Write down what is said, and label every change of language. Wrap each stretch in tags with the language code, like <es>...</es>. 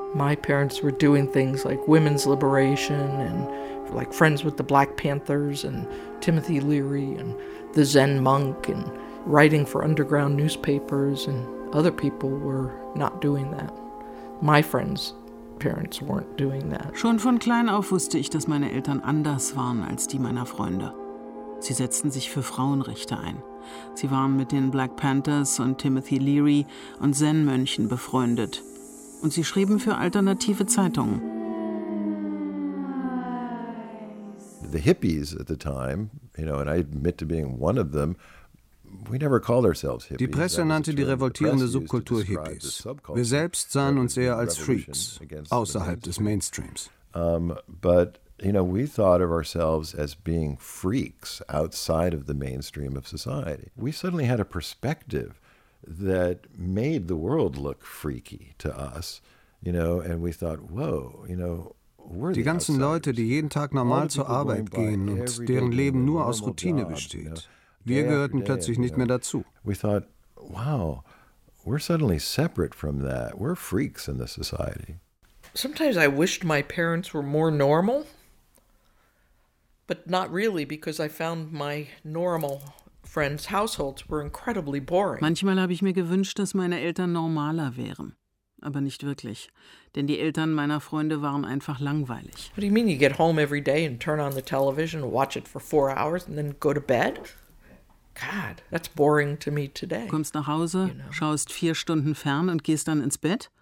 <en>My parents were doing things like women's liberation and like friends with the Black Panthers and Timothy Leary and the Zen monk and writing for underground newspapers, and other people were not doing that. My friends' parents weren't doing that.</en> <de>Schon von klein auf wusste ich, dass meine Eltern anders waren als die meiner Freunde. Sie setzten sich für Frauenrechte ein. Sie waren mit den Black Panthers und Timothy Leary und Zen-Mönchen befreundet. Und sie schrieben für alternative Zeitungen.</de> <en>The hippies at the time, you know, and I admit to being one of them.</en> <de>Die Presse nannte die revoltierende Subkultur Hippies. Wir selbst sahen uns eher als Freaks, außerhalb des Mainstreams.</de> <en>You know, we thought of ourselves as being freaks outside of the mainstream of society. We suddenly had a perspective that made the world look freaky to us, you know, and we thought, whoa, you know, we're</en> <de>die ganzen</de> <en>outsiders.</en> <de>Leute, die jeden Tag normal zur Arbeit gehen und deren Leben nur aus Routine besteht, wir gehörten plötzlich nicht mehr dazu.</de> <en>We thought, wow, we're suddenly separate from that. We're freaks in the society. Sometimes I wished my parents were more normal, but not really, because I found my normal friends' households were incredibly boring.</en> <de>Manchmal habe ich mir gewünscht, dass meine Eltern normaler wären, aber nicht wirklich, denn die Eltern meiner Freunde waren einfach langweilig.</de> <en>What do you mean you get home every day and turn on the television, watch it for 4 hours and then go to bed? God, that's boring to me today.</en> <de>Du kommst nach Hause,</de> <en>you know?</en> <de>Schaust 4 Stunden fern und gehst dann ins Bett?</de>